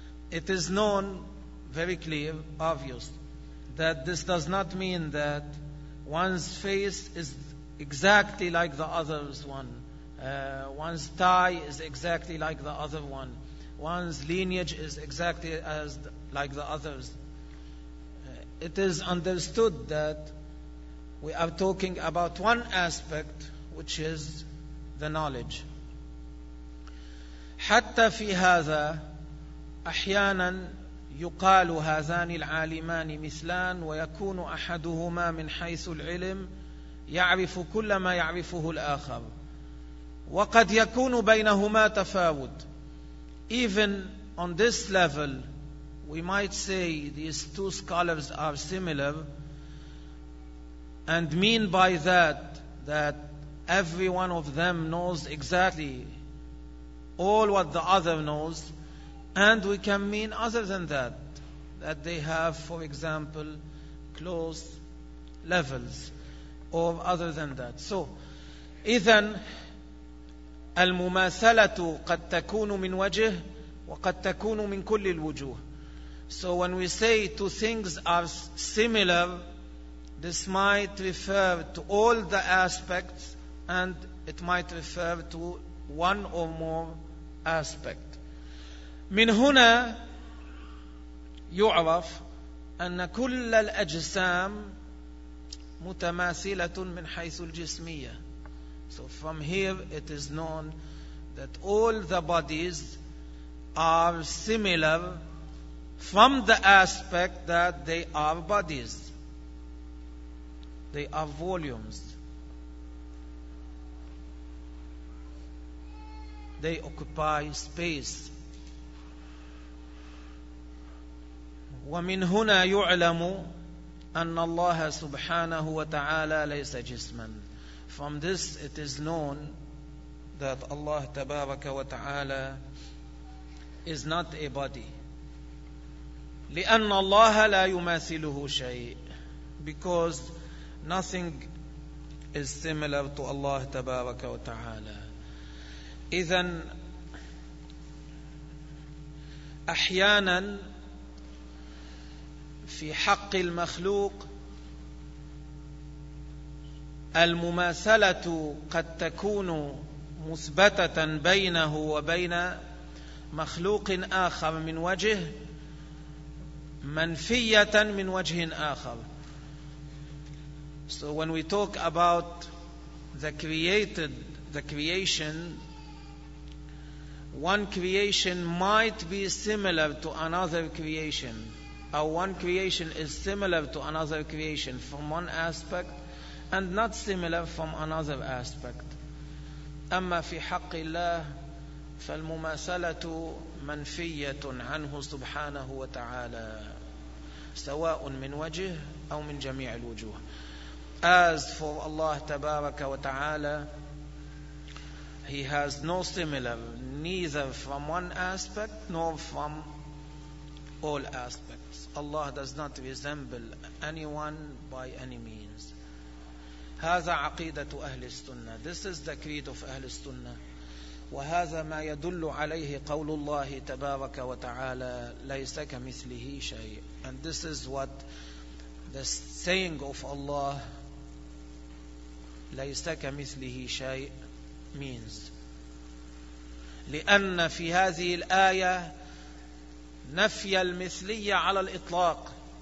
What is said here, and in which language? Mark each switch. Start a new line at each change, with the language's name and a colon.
English: It is known very clear, obvious that this does not mean that one's face is exactly like the other's one one's tie is exactly like the other one one's lineage is exactly as like the others It is understood that We are talking about one aspect, which is the knowledge.
Arabic: حتى في هذا أحيانا يقال هذان العالمان مثلان ويكون أحدهما من حيث العلم يعرف كل ما يعرفه الآخر وقد يكون بينهما تفاوت.
English: Even on this level, we might say these two scholars are similar, and mean by that that every one of them knows exactly all what the other knows, and we can mean other than that, that they have, for example, close levels, or other than that.
Arabic: So, إذن المماثلة قد تكون من وجه وقد تكون من كل الوجوه.
English: So when we say two things are similar, this might refer to all the aspects and it might refer to one or more aspect.
Arabic: من هنا يعرف أن كل الأجسام متماثلة من حيث الجسمية.
English: So from here it is known that all the bodies are similar from the aspect that they are bodies. They are volumes. They occupy space.
Arabic: ومن هنا يعلم أن الله سبحانه وتعالى ليس جسما.
English: From this it is known that Allah
Arabic: تبارك وتعالى
English: is not a body.
Arabic: لأن الله لا يماثله شيء.
English: Because nothing is similar to Allah
Arabic: تبارك وتعالى. إذن أحيانا في حق المخلوق المماثلة قد تكون مثبتة بينه وبين مخلوق آخر من وجه منفية من وجه آخر.
English: So when we talk about the creation, one creation might be similar to another creation, or one creation is similar to another creation from one aspect and not similar from another aspect.
Arabic: أما في حق الله فالمماثلة منفية عنه سبحانه وتعالى سواء من وجه أو من جميع الوجوه.
English: As for Allah
Arabic: تبارك وتعالى,
English: He has no similar, neither from one aspect nor from all aspects. Allah does not resemble anyone by any means.
Arabic: هذا عقيدة أهل السنة.
English: This is the creed of أهل السنة.
Arabic: وهذا ما يدل عليه قول الله تبارك وتعالى ليس كمثله شيء.
English: And this is what the saying of Allah
Arabic: ليس كمثله شيء
English: means.
Arabic: لأن في هذه الآية نفي المثلية على الإطلاق.